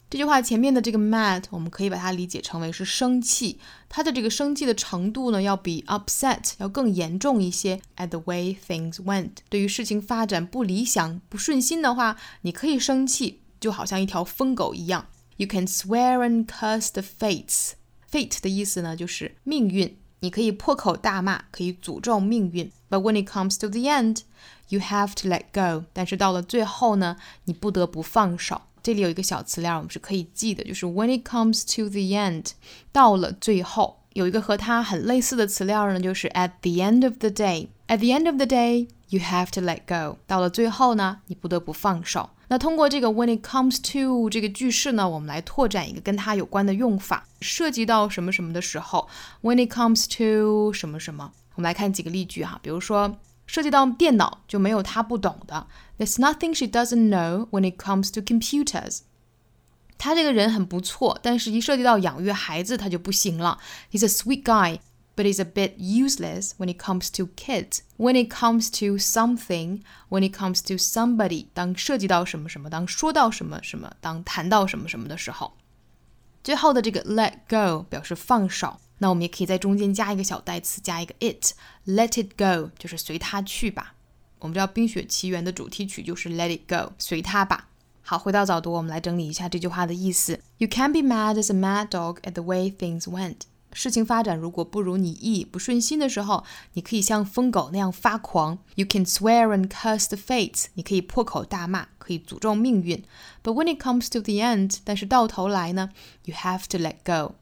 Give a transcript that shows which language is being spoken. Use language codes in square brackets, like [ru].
[zh] 这句话前面的这个 mad 我们可以把它理解成为是生气，它的这个生气的程度呢要比 upset 要更严重一些。 [en] at the way things went [zh] 对于事情发展不理想不顺心的话，你可以生气，就好像一条疯狗一样。 [en] You can swear and curse the fates. [zh] Fate 的意思呢就是命运，你可以破口大骂，可以诅咒命运。 [en] But when it comes to the end, you have to let go. [zh] 但是到了最后呢，你不得不放手。这里有一个小词料我们是可以记的，就是 [en] when it comes to the end, [zh] 到了最后。有一个和它很类似的词料呢，就是 [en] at the end of the day. At the end of the day, you have to let go. [zh] 到了最后呢，你不得不放手。那通过这个 when it comes to 这个句式呢，我们来拓展一个跟它有关的用法。涉及到什么什么的时候， when it comes to 什么什么。我们来看几个例句哈，比如说涉及到电脑就没有她不懂的。 [en] There's nothing she doesn't know when it comes to computers. [zh] 他这个人很不错，但是一涉及到养育孩子他就不行了。 [en] He's a sweet guy, but he's a bit useless when it comes to kids. When it comes to something, when it comes to somebody, [zh] 当涉及到什么什么，当说到什么什么，当谈到什么什么的时候。最后的这个 let go 表示放手，那我们也可以在中间加一个小代词，加一个 it, let it go, 就是随他去吧。我们知道冰雪奇缘的主题曲就是 Let it go, 随他吧。好，回到早读，我们来整理一下这句话的意思。 [en] You can be mad as a mad dog at the way things went. [zh] 事情发展如果不如你意，不顺心的时候，你可以像疯狗那样发狂。 [en] You can swear and curse the fates. [zh] 你可以破口大骂，可以诅咒命运。 [en] But when it comes to the end, [zh] 但是到头来呢 [en] ,you have to let go.